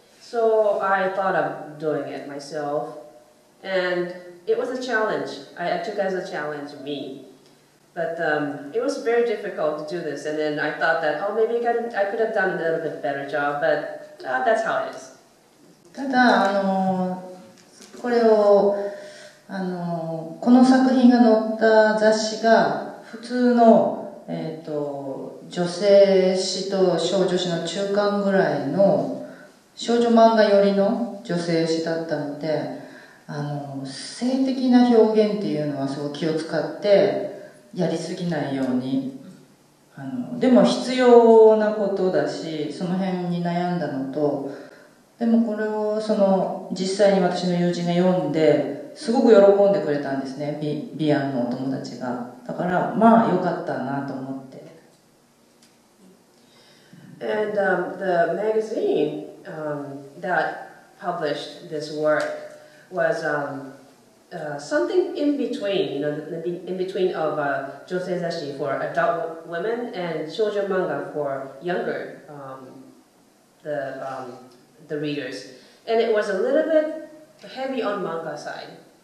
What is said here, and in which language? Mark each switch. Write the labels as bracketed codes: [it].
[en] So I thought of doing it myself. And it was a challenge. I took it as a challenge, me. But it was very difficult to do this, and then I thought that, oh, maybe I could have done a little bit better job, but that's how it is. [ja] ただ、これを、この作品が載った雑誌が普通の、女性誌と少女誌の中間ぐらいの少女漫画寄りの女性誌だったので、性的な表現っていうのはすごい気を使ってやりすぎないようにでも必要なことだしその辺に悩んだのとでもこれをその実際に私の友人が読んですごく喜んでくれたんですね ビアンのお友達がだからまあ良かったなと思って [en] And、the magazine、that published this workwas something in between, you know, in between of josei zashi for adult women and shoujo manga for younger the readers, and it was a little bit heavy on manga side.